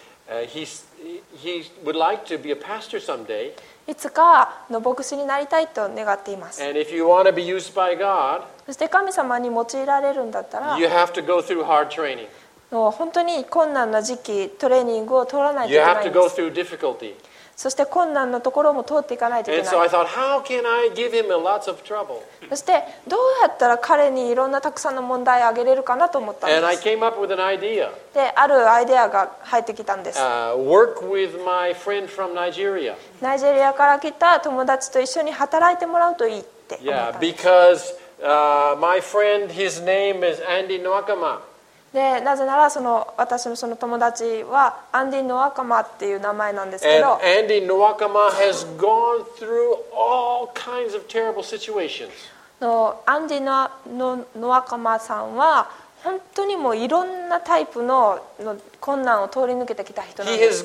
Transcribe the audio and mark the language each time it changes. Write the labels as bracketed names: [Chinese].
[English] He would like to be a pastor someday. [Japanese] いつかの牧師になりたいと願っています。 [English] And if you want to be used by God, [Japanese] そして神様に用いられるんだったら、 [English] you have to go through hard training. [Japanese] 本当に困難な時期、トレーニングを取らないといけないんです。 [English] You have to go through difficulty. [Japanese] そして困難なところも通っていかないといけない。 [English] And so I thought, how can I give him lots of trouble? [Japanese] そしてどうやったら彼にいろんなたくさんの問題をあげれるかなと思ったんです。であるアイデアが入ってきたんです。 [English] Work with my friend from Nigeria. [Japanese] ナイジェリアから来た友達と一緒に働いてもらうといいって思ったんです。 [English] Yeah, because, my friend, his name is Andy Noakama. [Japanese] でなぜならその私のその友達はアンディ・ノアカマっていう名前なんですけど、 [English] Andy Noakama has gone through all kinds of terrible situations. [Japanese] のアンディ・ノアカマさんは本当にもういろんなタイプ の困難を通り抜けてきた人なんです。